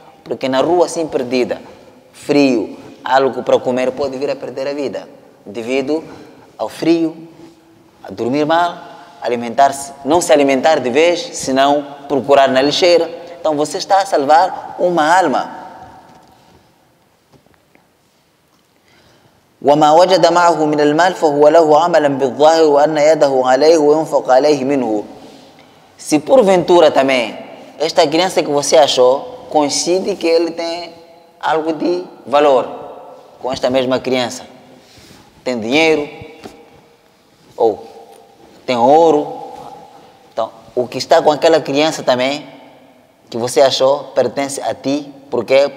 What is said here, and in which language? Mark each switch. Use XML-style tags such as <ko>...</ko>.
<pt>Porque na rua assim perdida, frio, algo para comer, pode vir a perder a vida. Devido ao frio, a dormir mal, alimentar-se, não se alimentar de vez, senão procurar na lixeira. Então você está a salvar uma alma.</pt> <ar>وما وجد معه من المال فهو له عملا بالظاهر وان يده عليه وينفق عليه منه.</ar> <pt>Se porventura também esta criança que você achou coincide que ele tem algo de valor com esta mesma criança, tem dinheiro ou tem ouro, então o que está com aquela criança também que você achou pertence a ti. Por quê?</pt>